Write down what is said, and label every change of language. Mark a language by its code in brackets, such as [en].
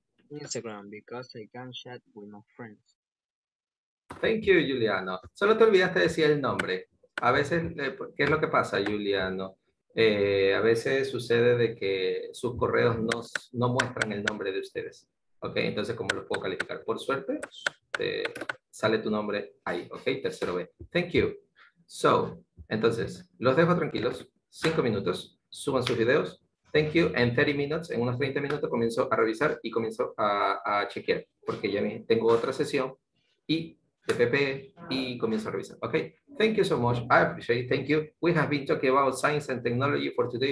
[en] Instagram, because I can chat with my friends. Thank you, [es] Juliano. Solo te olvidaste de decir el nombre. A veces, ¿qué es lo que pasa, Juliano? A veces sucede de que sus correos no muestran el nombre de ustedes, ¿ok? Entonces, ¿cómo los puedo calificar? Por suerte, sale tu nombre ahí, ¿ok? Tercero B. [en] Thank you. [es] So, entonces, los dejo tranquilos. 5 minutos, suban sus videos. [en] Thank you. [es] En 30 minutes, en unos 30 minutos, comienzo a revisar y comienzo a chequear, porque ya tengo otra sesión y de PPE y comienzo a revisar, ¿ok? [en] Thank you so much. I appreciate it. Thank you. We have been talking about science and technology for today.